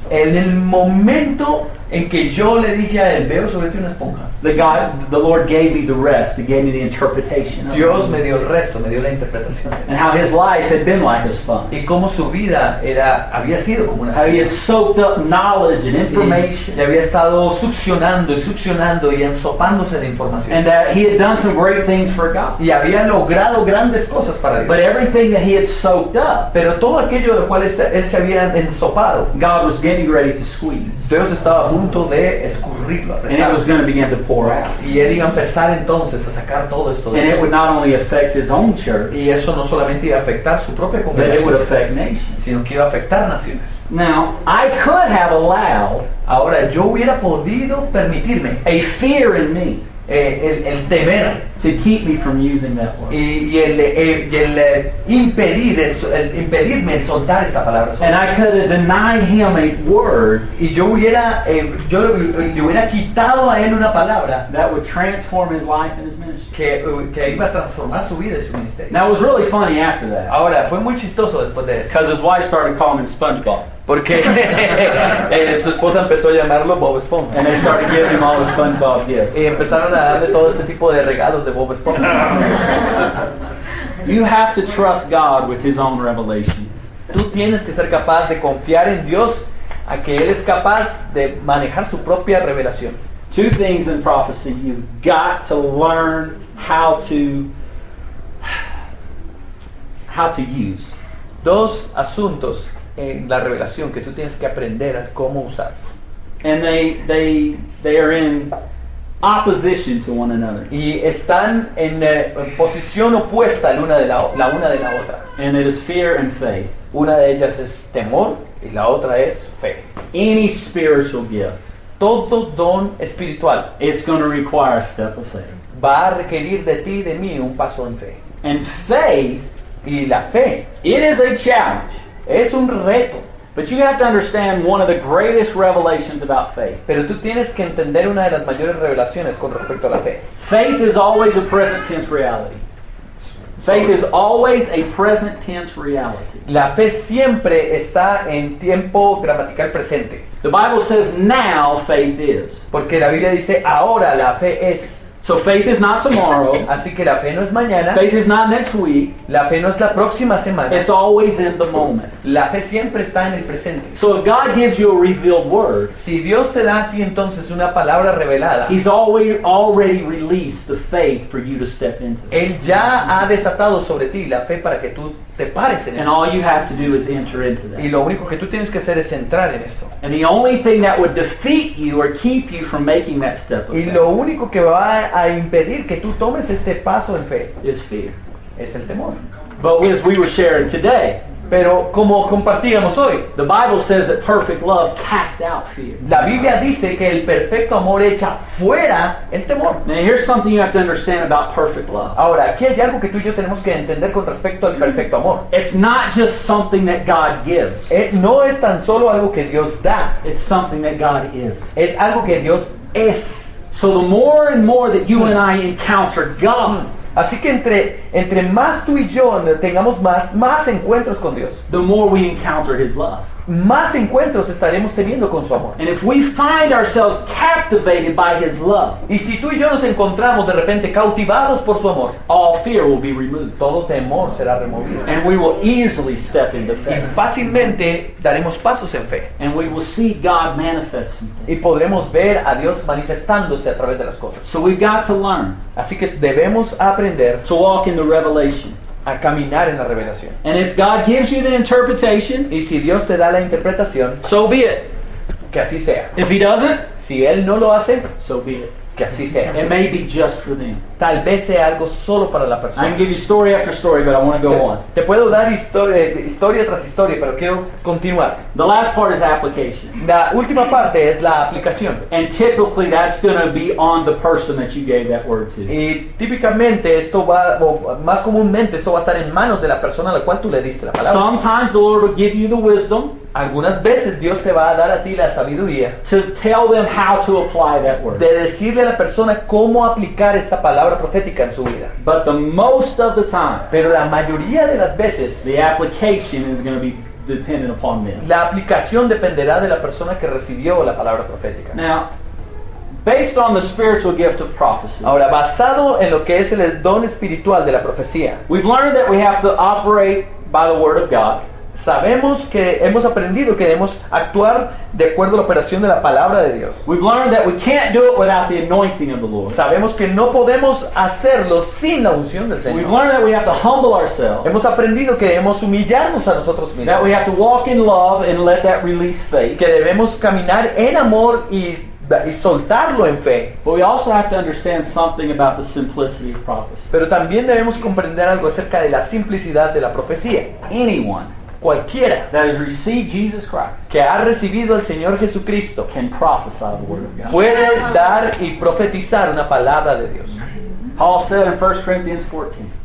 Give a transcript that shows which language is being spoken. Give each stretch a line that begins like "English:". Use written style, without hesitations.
Spanish: En el momento en que yo le dije a él, veo sobre ti una esponja.
English: The Lord gave me the rest. He gave me the interpretation.
Spanish: Dios me dio el resto, me dio la interpretación.
English: And how his life had been like a sponge.
Spanish: Y cómo su vida era, había sido como una esponja.
English: How he had soaked up knowledge and information.
Spanish: Y había estado succionando y ensopándose de información.
English: And that he had done some great things for God.
Spanish: Y había logrado grandes cosas para Dios.
English: But everything that he had soaked up,
Spanish: pero todo aquello de lo cual él se había ensopado,
English: God was getting ready to squeeze.
Spanish: Dios estaba a punto de escurrirlo.
English: And it was going to begin to pour out.
Spanish: Y él iba a empezar entonces a sacar todo esto de
English: And it would not only affect his own church,
Spanish: y eso no solamente iba a afectar su propia congregación,
English: but it would affect nations,
Spanish: sino que iba a afectar naciones.
English: Now, I could have allowed,
Spanish: ahora yo hubiera podido permitirme,
English: a fear in me,
Spanish: el temer,
English: to keep me from using that word,
Spanish: y el impedir, el impedirme el soltar esta palabra,
English: and I could have denied him a word,
Spanish: y yo hubiera quitado a él una palabra,
English: that would transform his life and his ministry,
Spanish: que iba a transformar su vida y su ministerio.
English: Now it was really funny after that.
Spanish: Ahora fue muy chistoso después de eso,
English: because his wife started calling him SpongeBob.
Spanish: Porque su esposa empezó a llamarlo Bob Esponja.
English: And they started giving him all the SpongeBob gifts.
Spanish: Y empezaron a darle todo este tipo de regalos de Bob Esponja.
English: You have to trust God with His own revelation.
Spanish: Tú tienes que ser capaz de confiar en Dios a que Él es capaz de manejar su propia revelación.
English: Two things in prophecy. You've got to learn how to use.
Spanish: Dos asuntos en la revelación que tú tienes que aprender a cómo usar.
English: And they are in opposition to one another.
Spanish: Y están en posición opuesta la una de la otra.
English: And it is fear and faith.
Spanish: Una de ellas es temor y la otra es fe.
English: Any spiritual gift,
Spanish: todo don espiritual,
English: it's going to require a step of faith.
Spanish: Va a requerir de ti y de mí un paso en fe.
English: And faith,
Spanish: y la fe,
English: it is a challenge.
Spanish: Es un reto.
English: But you have to understand one of the greatest revelations about faith.
Spanish: Pero tú tienes que entender una de las mayores revelaciones con respecto a la fe.
English: Faith is always a present tense reality. Faith is always a present tense reality.
Spanish: La fe siempre está en tiempo gramatical presente.
English: The Bible says now faith is.
Spanish: Porque la Biblia dice ahora la fe es.
English: So faith is not tomorrow.
Spanish: Así que la fe no es mañana.
English: Faith is not next week.
Spanish: La fe no es la próxima semana.
English: It's always in the moment.
Spanish: La fe siempre está en el presente.
English: So if God gives you a revealed word,
Spanish: si Dios te da a ti entonces una palabra revelada,
English: He's already released the faith for you to step into.
Spanish: Él ya ha desatado sobre ti la fe para que tú te pares en
English: eso. And all you have to do is enter into that.
Spanish: Y lo único que tú tienes que hacer es entrar en esto.
English: And the only thing that would defeat you or keep you from making that step of
Spanish: faith, y lo único que va a impedir que tú tomes este paso en fe,
English: is fear.
Spanish: Es el temor.
English: But as we were sharing today,
Spanish: pero como compartíamos hoy,
English: the Bible says that perfect love casts out fear.
Spanish: La Biblia dice que el perfecto amor echa fuera el temor.
English: Now here's something you have to understand about perfect love.
Spanish: Ahora, aquí hay algo que tú y yo tenemos que entender con respecto al perfecto amor.
English: It's not just something that God gives.
Spanish: It no es tan solo algo que Dios da.
English: It's something that God is.
Spanish: Es algo que Dios es.
English: So the more and more that you and I encounter God,
Spanish: así que entre más tú y yo tengamos más encuentros con Dios,
English: the more we encounter His love,
Spanish: más encuentros estaremos teniendo con su amor.
English: And if we find ourselves captivated by His love,
Spanish: y si tú y yo nos encontramos de repente cautivados por su amor,
English: all fear will be removed.
Spanish: Todo temor será removido.
English: And we will easily step into faith.
Spanish: Y fácilmente daremos pasos en fe.
English: And we will see God manifest some things.
Spanish: Y podremos ver a Dios manifestándose a través de las cosas.
English: So we've got to learn.
Spanish: Así que debemos aprender
English: to walk in the revelation.
Spanish: A caminar en la revelación.
English: And if God gives you the interpretation,
Spanish: y si Dios te da la interpretación,
English: so be it.
Spanish: Que así sea.
English: If He doesn't,
Spanish: si Él no lo hace,
English: so be it.
Spanish: Que así sea.
English: It may be just for them.
Spanish: Tal vez sea algo solo para la persona.
English: I can give you story after story, but I want to go on.
Spanish: Te puedo dar historia tras historia, pero quiero continuar.
English: The last part is application.
Spanish: La última parte es la aplicación.
English: And typically that's going to be on the person that you gave that word to.
Spanish: Y típicamente esto va, o más comúnmente esto va a estar en manos de la persona a la cual tú le diste la palabra.
English: Sometimes the Lord will give you the wisdom.
Spanish: Algunas veces Dios te va a dar a ti la sabiduría.
English: To tell them how to apply that word.
Spanish: De decirle a la persona cómo aplicar esta palabra profética en su vida.
English: But the most of the time,
Spanish: pero la mayoría de las veces,
English: the application is going to be dependent upon them.
Spanish: La aplicación dependerá de la persona que recibió la palabra profética.
English: Now, based on the spiritual gift of prophecy.
Spanish: Ahora, basado en lo que es el don espiritual de la profecía.
English: We've learned that we have to operate by the word of God.
Spanish: Sabemos que hemos aprendido que debemos actuar de acuerdo a la operación de la palabra de Dios.
English: We've learned that we can't do it without the anointing of the Lord.
Spanish: Sabemos que no podemos hacerlo sin la unción del Señor.
English: We've learned that we have to humble ourselves.
Spanish: Hemos aprendido que debemos humillarnos a nosotros mismos.
English: That we have to walk in love and let that release faith.
Spanish: Que debemos caminar en amor y soltarlo en fe.
English: But we also have to understand something about the simplicity of prophecy.
Spanish: Pero también debemos comprender algo acerca de la simplicidad de la profecía.
English: Anyone,
Spanish: cualquiera,
English: that has received Jesus Christ,
Spanish: que ha recibido al Señor Jesucristo,
English: can prophesy the word of God.
Spanish: Puede dar y profetizar una palabra de Dios.
English: Paul said in 1 Corinthians 14.